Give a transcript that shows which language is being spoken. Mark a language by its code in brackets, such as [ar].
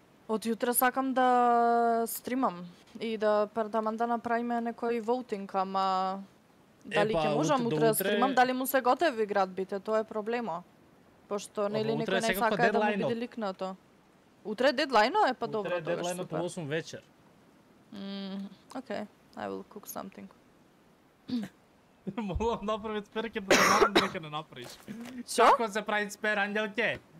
[mk] Од јутре сакам да стримам и да предаман да направиме некој воутинг, ама дали ќе можам утре да стримам, дали му се готови градбите, тоа е проблема. Пошто нели некој не сака да му биде ликнато. Утре е дедлайно, е па добро, тоа е супер. Утре е дедлайно по 8 вечер. [en] Окей, I will cook something. [mk] Молам направи цпер, ке да знам дека не направиш. Шо? Како се прави цпер, Анѓелке?